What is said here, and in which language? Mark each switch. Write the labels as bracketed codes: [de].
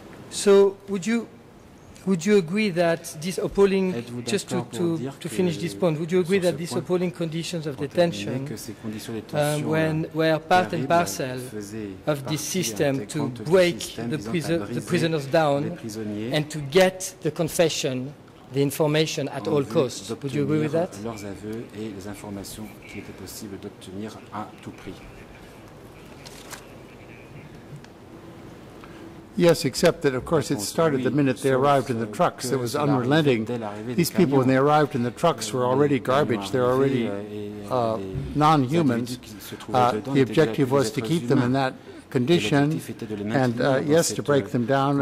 [en] So would you agree that this appalling, just to finish this point, would you agree that these appalling conditions of detention were part and parcel of this system to break the prisoners down and to get the confession, the information at all costs? Would you agree with that? [fr] Leurs aveux et les informations qu'il était possible d'obtenir à tout prix. [en] Yes, except that, of course, it started the minute they arrived in the trucks. It was unrelenting. These people, when they arrived in the trucks, were already garbage. They're already non-humans. The objective was to keep them in that condition and, yes, to break them down.